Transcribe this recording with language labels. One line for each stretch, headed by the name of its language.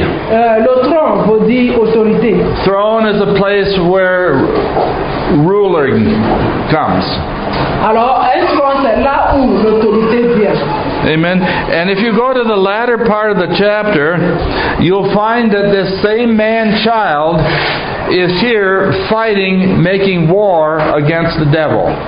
French: Le trône veut dire autorité.
English: Throne is a place where ruling comes.
French: Alors, un trône, c'est là où l'autorité vient.
English: Amen. And if you go to the latter part of the chapter, you'll find that this same man child is here fighting, making war against the devil.